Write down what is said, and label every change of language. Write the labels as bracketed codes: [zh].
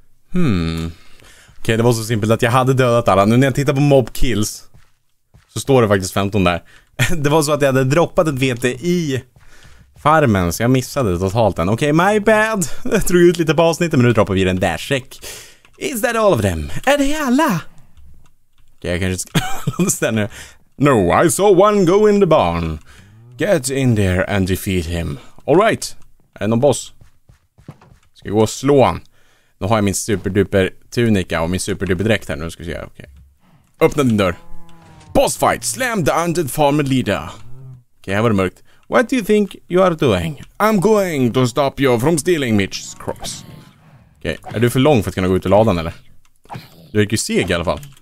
[sv] Hmm. Okej, okay, det var så simpelt att jag hade dödat alla. Nu när jag tittar på mob kills så står det faktiskt 15 där. Det var så att jag hade droppat ett vete i farmen, så jag missade det totalt den. Okej, okay, [en] my bad. [sv] Jag drog ut lite på avsnittet, men nu droppar vi den där check. [en] Is that all of them? [sv] Är det alla? Okej, okay, jag kanske ska... [en] No, I saw one go in the barn. Get in there and defeat him. [sv] All right. Är det någon boss? Ska jag gå och slå han? Nu har jag min superduper tunika och min superduper dräkt här. Nu ska vi se. Okay. Öppna din dörr. Boss fight. [en] Slam the undead farmer leader. [sv] Okej, här var det mörkt. [en] What do you think you are doing? I'm going to stop you from stealing Mitch's cross. [sv] Okej, okay. Är du för lång för att kunna gå ut i ladan eller? Du är ju seg i alla fall.